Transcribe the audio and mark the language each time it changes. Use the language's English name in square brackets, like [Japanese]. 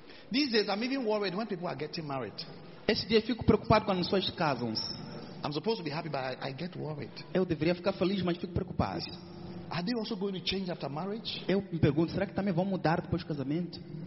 [English] These days, I'm even worried when people are getting married. [Portuguese] Esse dia eu fico preocupado quando as pessoas casam. [English] I'm supposed to be happy, but I get worried. [Portuguese] Eu deveria ficar feliz, mas fico preocupado. Yes. [English] Are they also going to change after marriage? [Portuguese] Eu me pergunto, será que também vão mudar depois do casamento?